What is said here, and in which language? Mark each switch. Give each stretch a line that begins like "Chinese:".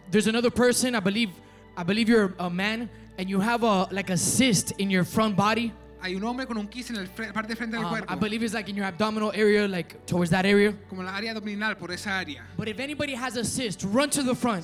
English: There's another person, I believe you're a man, and you have a cyst in your front body.
Spanish: Hay un hombre con un quiste en el parte de frente del cuerpo.
English: I believe it's like in your abdominal area, like towards that area.
Spanish: Como la área abdominal, por esa área.
English: But if anybody has a cyst, run to the front.